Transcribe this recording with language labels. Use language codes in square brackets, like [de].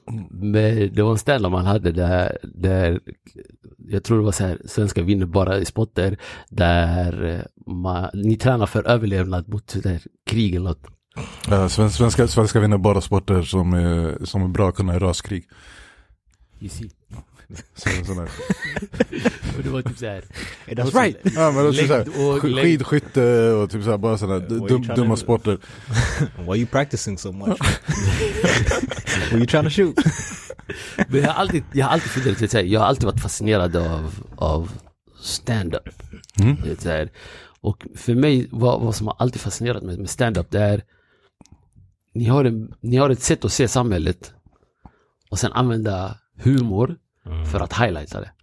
[sv] Men det var en ställe man hade där jag tror det var så här, svenska vinner bara i spotter där ni tränar för överlevnad mot där, krig eller något. Svenska vinner bara sporter som är bra att kunna i raskrig. [en] You see. [sv] Sådana. Och det var typ så här. [en] That's right. [sv] Ja, men det var typ skidskytte och typ så här, bara sådana dumma sporter. [en] Why are you practicing so much? What are you trying to shoot? [sv] Men jag har alltid funderat, jag har alltid varit fascinerad av stand-up. Och för mig, vad som har alltid fascinerat mig med stand-up, det är ni har ett sätt att se samhället och sen använda humor för att highlighta det.